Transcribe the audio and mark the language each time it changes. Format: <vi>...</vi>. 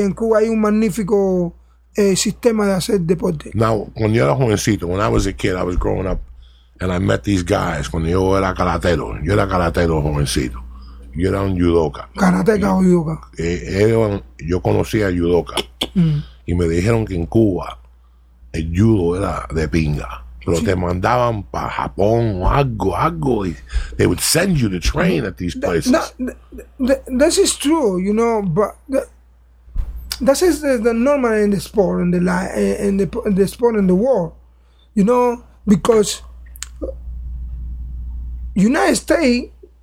<es>En Cuba hay un magnífico sistema de hacer deporte.</es> <en>Now, when you</en> <es>era jovencito,</es> <en>when I was a kid, I was growing up, and I met these guys.</en> <es>Cuando yo era karatero jovencito. Yo era un yudoka. Karateka o yudoka. Yo conocía a yudoka. Mm. Y me dijeron que en Cuba el judo era de pinga. Pero sí. Te mandaban para Japón o algo.</es> <en>They would send you to train at these places. This is true, you know, but that is the normal in the sport, in the sport in the world, you know, because United States.</en>